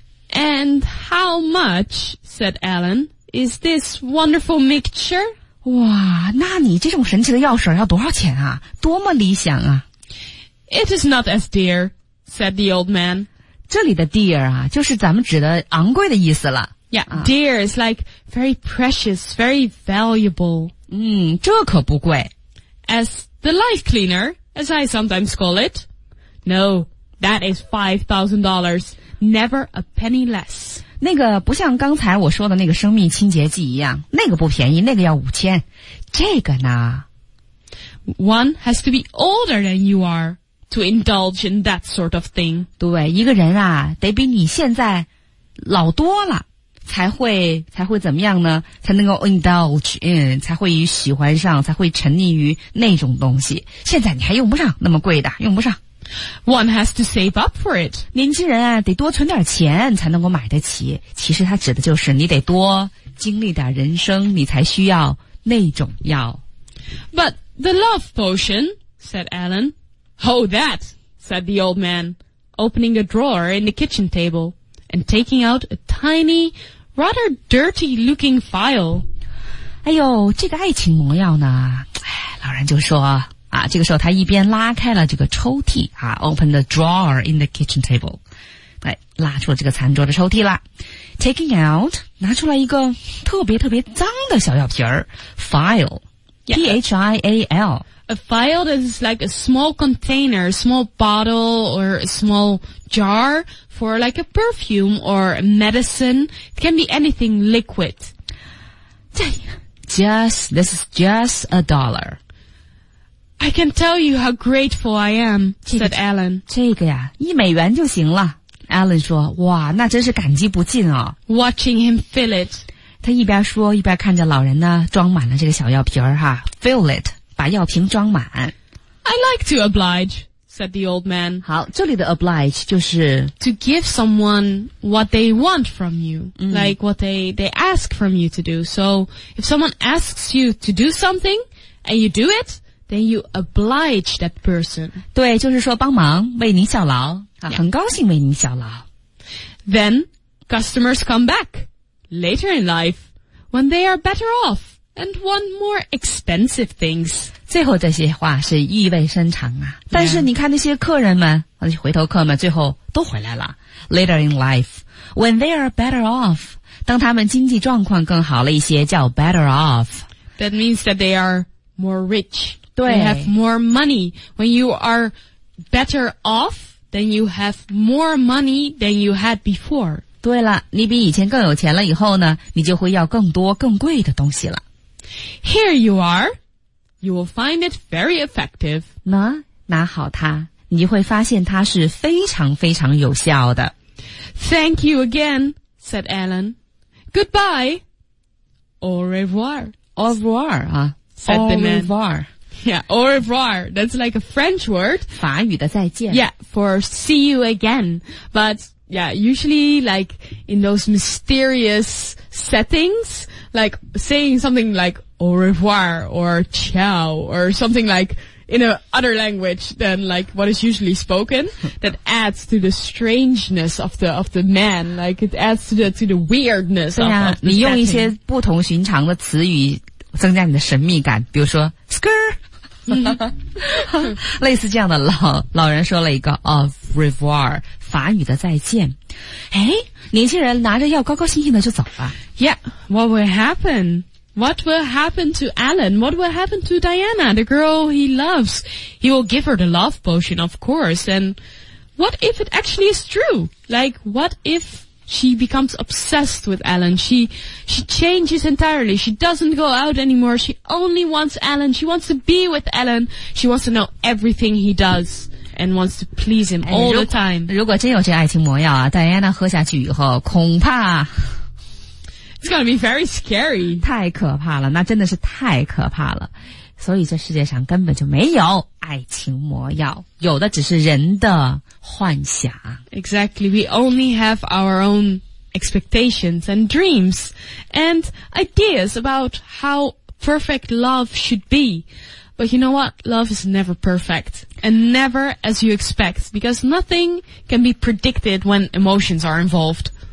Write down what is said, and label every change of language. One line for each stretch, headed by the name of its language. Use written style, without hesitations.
English: And how much, said Alan, is this wonderful mixture?
Chinese: 哇，那你这种神奇的药水要多少钱啊？多么理想啊。
English: It is not as dear, said the old man.
Chinese: 这里的 dear 啊，就是咱们指的昂贵的意思了。
English: Yeah, dear is like very precious, very valuable.
Chinese: 嗯，这可不贵。
English: As the life cleaner, as I sometimes call it. No, that is $5,000. Never a penny less.
Chinese: 那个不像刚才我说的那个生命清洁剂一样，那个不便宜，那个要5000。这个呢
English: ？One has to be older than you are to indulge in that sort of thing.
Chinese: 对，一个人啊，得比你现在老多了，才会怎么样呢？才能够
English: indulge in，
Chinese: 才会喜欢上，才会沉溺于那种东西。现在你还用不上那么贵的，用不上。
English: One has to save up for it.
Chinese: 年轻人啊，得多存点钱才能够买得起。其实他指的就是你得多经历点人生，你才需要那种药。
English: But the love potion, said Alan. Hold that, said the old man, opening a drawer in the kitchen table and taking out a tiny, rather dirty looking phial.
Chinese: 哎呦，这个爱情魔药呢，老人就说啊，这个时候他一边拉开了这个抽屉啊 ，
English: open the drawer in the kitchen table，
Chinese: 来拉出了这个餐桌的抽屉了 ，
English: taking out
Chinese: 拿出来一个特别特别脏的小药瓶 ，phial，P-H-I-A-L，
English: a phial is like a small container, small bottle or a small jar for like a perfume or a medicine. It can be anything liquid. This is just a dollar. I can tell you how grateful I am, said Alan.
Chinese: 这个呀，一美元就行了。 Alan 说，哇，那真是感激不尽哦。
English: Watching him fill it.
Chinese: 他一边说，一边看着老人呢，装满了这个小药瓶儿哈。
English: Fill it,
Chinese: 把药瓶装满。
English: I like to oblige, said the old man.
Chinese: 好，这里的 oblige 就是
English: to give someone what they want from you,、mm. like what they ask from you to do. So if someone asks you to do something and you do it, then you oblige that person.
Chinese: 对，就是说帮忙，为您效劳、啊
English: yeah.
Chinese: 很高兴为您效劳。
English: Then customers come back later in life when they are better off and want more expensive things.
Chinese: 最后这些话是意味深长啊，但是你看那些客人们、
English: yeah.
Chinese: 那些回头客们最后都回来了。
English: Later in life when they are better off,
Chinese: 当他们经济状况更好了一些叫
English: better off. That means that they are more rich.
Chinese: 对，
English: they have more money. When you are better off, then you have more money than you had before.
Chinese: 对了，你比以前更有钱了以后呢，你就会要更多更贵的东西了。
English: Here you areYou will find it very effective.
Chinese: 拿好它，你会发现它是非常非常有效的。
English: Thank you again, said Alan. Goodbye.
French: Au revoir. Au revoir,
English: said the man.
French: Au revoir.
English: Yeah,
French: au revoir.
English: That's like a French word.
Chinese: 法语的再见。
English: Yeah, for see you again. But, yeah, usually like in those mysterious settings, like saying something like,
French: au revoir,
English: or ciao, or something like in a other language than like what is usually spoken, that adds to the strangeness of the man, like it adds to the weirdness of the setting.
Chinese: 你用一些不同寻常的词语增加你的神秘感，比如说 skr, 类似这样的老人说了一个
French: au revoir,
Chinese: 法语的再见。诶，年轻人拿着药高高兴兴的就走了。
English: Yeah, what will happen? What will happen to Alan? What will happen to Diana, the girl he loves? He will give her the love potion, of course. And what if it actually is true? Like, what if she becomes obsessed with Alan? She changes entirely. She doesn't go out anymore. She only wants Alan. She wants to be with Alan. She wants to know everything he does and wants to please him all the time.
Chinese: 如果真有这爱情魔药啊， Diana 喝下去以后恐怕
English: It's gonna be very scary.
Chinese: 太可怕了，那真的是太可怕了。所以这世界上根本就没有爱情魔药，有的只是人的幻想。
English: Exactly. We only have our own expectations and dreams and ideas about how perfect love should be. But you know what? Love is never perfect and never as you expect because nothing can be predicted when emotions are involved.